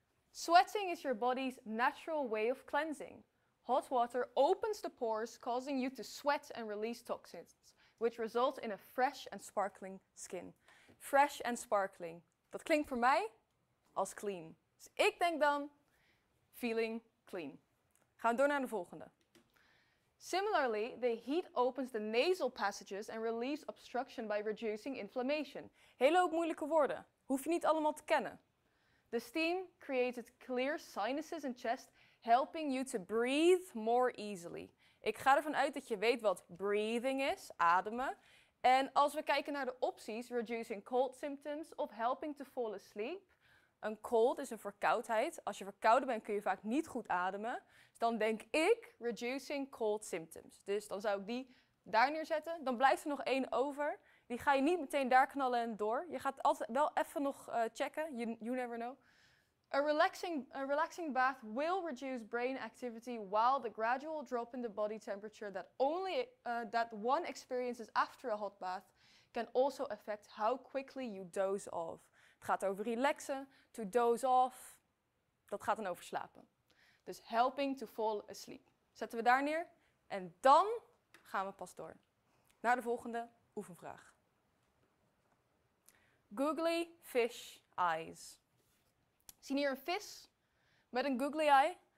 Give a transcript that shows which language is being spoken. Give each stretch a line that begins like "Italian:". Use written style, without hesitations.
English: Sweating is your body's natural way of cleansing. Hot water opens the pores, causing you to sweat and release toxins, which result in a fresh and sparkling skin. Fresh and sparkling.
Dutch: Dat klinkt voor mij als clean. Dus ik denk dan
English: feeling clean.
Dutch: Gaan we door naar de volgende.
English: Similarly, the heat opens the nasal passages and relieves obstruction by reducing inflammation.
Dutch: Hele hoop moeilijke woorden. Hoef je niet allemaal te kennen.
English: The steam created clear sinuses and chest, helping you to breathe more easily.
Dutch: Ik ga ervan uit dat je weet wat breathing is, ademen. En als we kijken naar de opties,
English: reducing cold symptoms
Dutch: of
English: helping to fall asleep.
Dutch: Een cold is een verkoudheid. Als je verkouden bent kun je vaak niet goed ademen. Dus dan denk ik
English: reducing cold symptoms.
Dutch: Dus dan zou ik die daar neerzetten. Dan blijft er nog één over. Die ga je niet meteen daar knallen en door. Je gaat altijd wel even nog checken.
English: You never know. A relaxing bath will reduce brain activity while the gradual drop in the body temperature that only that one experiences after a hot bath can also affect how quickly you doze off.
Dutch: Het gaat over relaxen,
English: to doze off.
Dutch: Dat gaat dan over slapen. Dus
English: helping to fall asleep.
Dutch: Zetten we daar neer en dan gaan we pas door naar de volgende oefenvraag.
English: Googly fish eyes.
Dutch: Zien hier een vis met een googly eye?